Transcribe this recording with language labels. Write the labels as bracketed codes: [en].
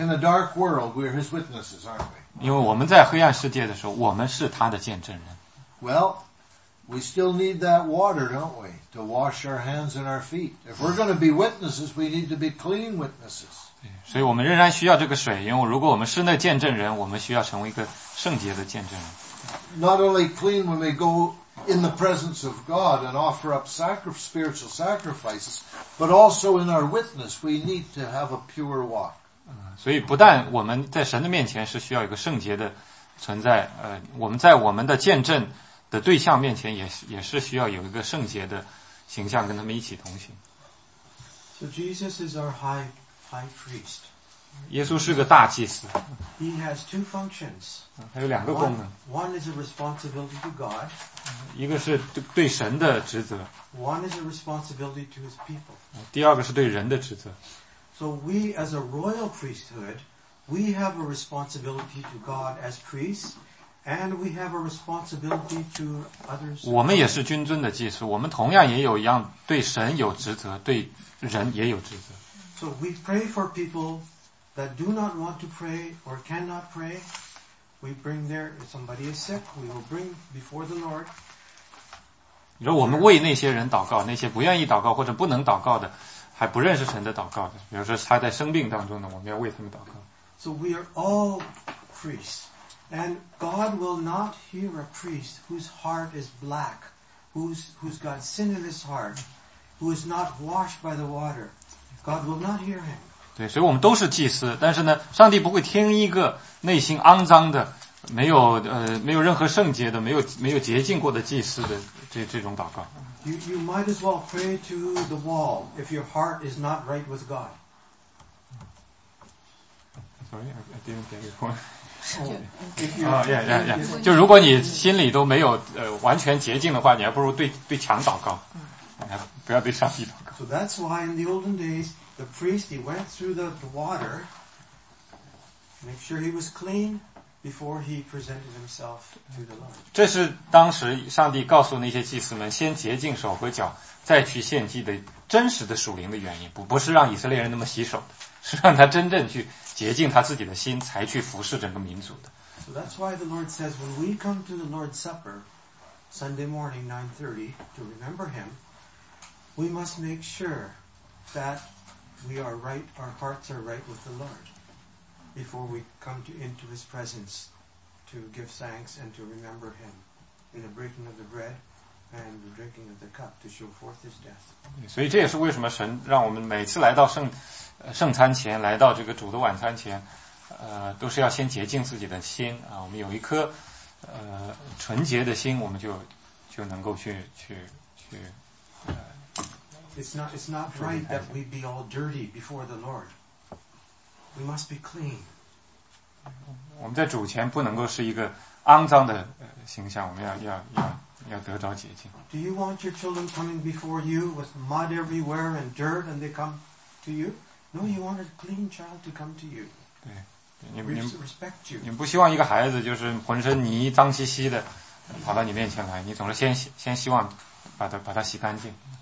[en] In a dark world, we're his witnesses, aren't we? [zh] 因为我们在黑暗世界的时候，我们是他的见证人。 [en] Well, we still need that water, don't we, to wash our hands and our feet. If we're going to be witnesses, we need to be clean witnesses. [zh] 所以我们仍然需要这个水，因为如果我们是那见证人，我们需要成为一个圣洁的见证人。 [en] Not only clean when we go in the presence of God and offer up spiritual sacrifices, but also in our witness, we need to have a pure walk. [zh] 所以不但我们在神的面前是需要一个圣洁的存在，我们在我们的见证的对象面前也是需要有一个圣洁的形象跟他们一起同行。 [en] So Jesus is our high priest. [zh] 耶稣是个大祭司。 [en] He has two functions. [zh] 他有两个功能。 [en] One is a responsibility to God. [zh] 一个是对神的职责。 [en] One is a responsibility to his people. [zh] 第二个是对人的职责。 [en] So we as a royal priesthood, we have a responsibility to God as priests, and we have a responsibility to others. [zh] 我们也是君尊的祭司，我们同样也有一样对神有职责，对人也有职责。 [en] So we pray for people that do not want to pray or cannot pray. We bring there, if somebody is sick, we will bring before the Lord. [zh] 你说我们为那些人祷告，那些不愿意祷告或者不能祷告的还不认识神的祷告的，比如说他在生病当中呢，我们要为他们祷告。 [en] So we are all priests, and God will not hear a priest whose heart is black, who's got sin in his heart, who is not washed by the water. God will not hear him. [zh] 对，所以我们都是祭司，但是呢，上帝不会听一个内心肮脏的、没有任何圣洁的、没有洁净过的祭司的这种祷告。 [en] You might as well pray to the wall if your heart is not right with God. Sorry, I didn't get your point. Oh, yeah. [zh] 就如果你心里都没有完全洁净的话，你还不如对墙祷告，不要对上帝祷告。 [en] So that's why in the olden days, the priest, he went through the water, make sure he was clean. Before he presented himself to the Lord. [zh] 这是当时上帝告诉那些祭司们先洁净手和脚再去献祭的真实的属灵的原因，不是让以色列人那么洗手的。是让他真正去洁净他自己的心，才去服侍整个民族的。 [en] So that's why the Lord says, when we come to the Lord's Supper Sunday morning 9:30 to remember Him, we must make sure that we are right, our hearts are right with the Lord, before we come to, into His presence to give thanks and to remember Him in the breaking of the bread and the drinking of the cup to show forth His death. [zh] 所以这也是为什么神让我们每次来到圣餐前，来到这个主的晚餐前，都是要先洁净自己的心啊。我们有一颗纯洁的心，我们就能够去。 [en] It's not right that we be all dirty before the Lord. We must be clean. [zh] 我们在主前不能够是一个肮脏的形象，我们要得着洁净。 [en] Do you want your children coming before you with mud everywhere and dirt, and they come to you? No, you want a clean child to come to you. [zh] 对。 [en] Respect you. [zh] 你不希望一个孩子就是浑身泥脏兮兮的跑到你面前来，你总是先希望把它洗干净。